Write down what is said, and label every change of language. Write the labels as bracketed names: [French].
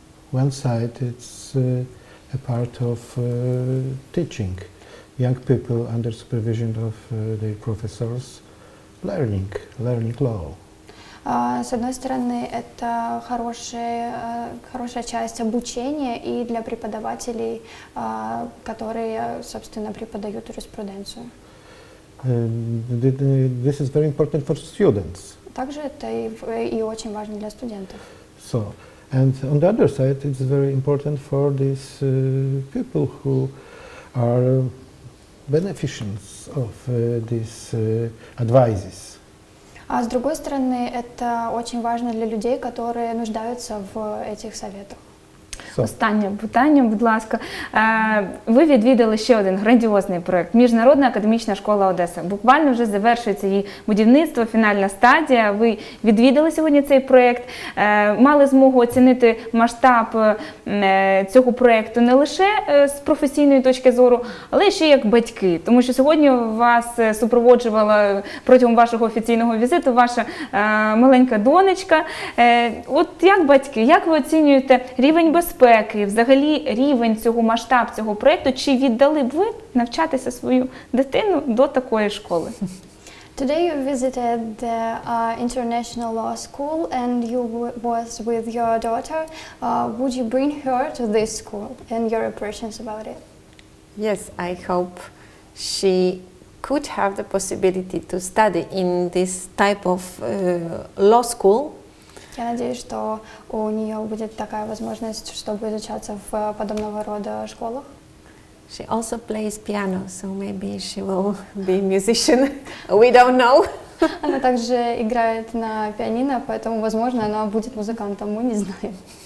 [English] One side, it's a part of teaching young people under supervision of their professors, learning law. [Russian] С одной стороны, это хорошая часть обучения и для преподавателей, которые, собственно, преподают юриспруденцию. [English] This is very important for students. [Russian] Также это и очень важно для студентов. [English] So. And on the other side, it's very important for these people who are beneficiaries of these advices. [Russian] А с другой стороны, это очень важно для людей, которые нуждаются в этих советах. [Ukrainian] Останнє питання, будь ласка. Ви відвідали ще один грандіозний проєкт – Міжнародна академічна школа Одеса. Буквально вже завершується її будівництво, фінальна стадія. Ви відвідали сьогодні цей проєкт, мали змогу оцінити масштаб цього проєкту не лише з професійної точки зору, але ще як батьки. Тому що сьогодні вас супроводжувала протягом вашого офіційного візиту ваша маленька донечка. От як батьки, як ви оцінюєте рівень безпеки? безпеки, взагалі рівень цього, масштаб цього проєкту, чи віддали б ви навчатися свою дитину до такої школи? [English] Today you visited the international law school and you was with your daughter. Would you bring her to this school and your impressions about it? Yes, I hope she could have the possibility to study in this type of law school. [Ukrainian] Я надіюсь, що у неї буде така можливість, щоб вивчатися в подобного роду школах. [English] She also plays piano, so maybe she will be a musician. We don't know. [Ukrainian] Вона також грає на піаніно, [Russian] поэтому, возможно, [Ukrainian] вона буде музикантом, ми не знаємо.